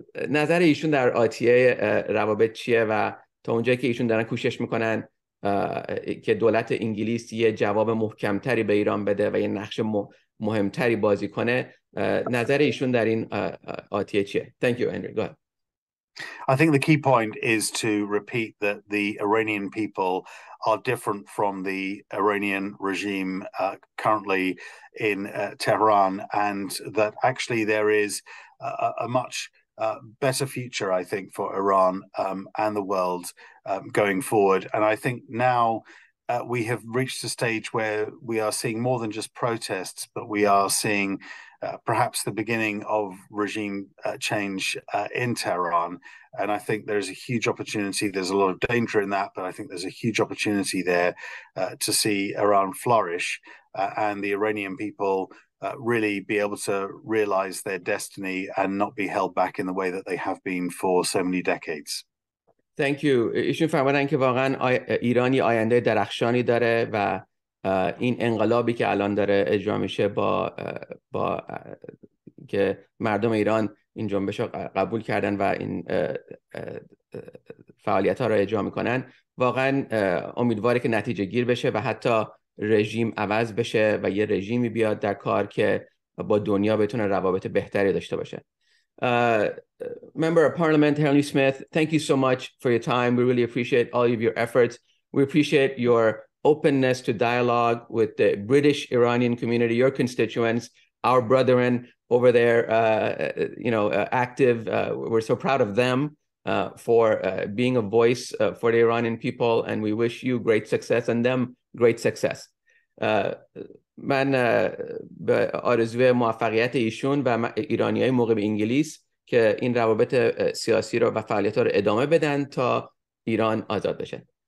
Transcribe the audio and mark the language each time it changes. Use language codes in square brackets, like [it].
[fa] نظر ایشون در آتیه روابط چیه و تا اونجایی که ایشون دارن کوشش میکنن که دولت انگلیس یه جواب محکمتری به ایران بده و یه نقش مهمتری بازی کنه. نظر ایشون در این آتیه چیه؟ [en] Thank you, Henry. Go ahead. I think the key point is to repeat that the Iranian people are different from the Iranian regime currently in Tehran, and that actually there is a much better future, I think, for Iran and the world going forward. And I think now we have reached a stage where we are seeing more than just protests, but we are seeing perhaps the beginning of regime change in Tehran. And I think there's a huge opportunity. There's a lot of danger in that, but I think there's a huge opportunity there to see Iran flourish and the Iranian people really be able to realize their destiny and not be held back in the way that they have been for so many decades. Thank you. [fa] ایشون فرمودن که واقعا ایرانی آینده درخشانی داره و این انقلابی که الان داره اجرا میشه با که مردم ایران این جنبش رو قبول کردن و این فعالیت ها رو اجرا میکنن، واقعا امیدواره که نتیجه گیر بشه و حتی رژیم عوض بشه و یه رژیمی بیاد در کار که با دنیا بتونه روابط بهتری داشته باشه. [en] Member of Parliament Henry Smith, thank you so much for your time. We really appreciate all of your efforts. We appreciate your openness to dialogue with the British Iranian community, your constituents, our brethren over there, active. We're so proud of them for being a voice for the Iranian people, and we wish you great success and them great success. [fa] من به آرزوی موفقیت ایشون و ایرانیای موقع به انگلیس که این روابط سیاسی رو و فعالیت رو ادامه بدن تا ایران آزاد بشه.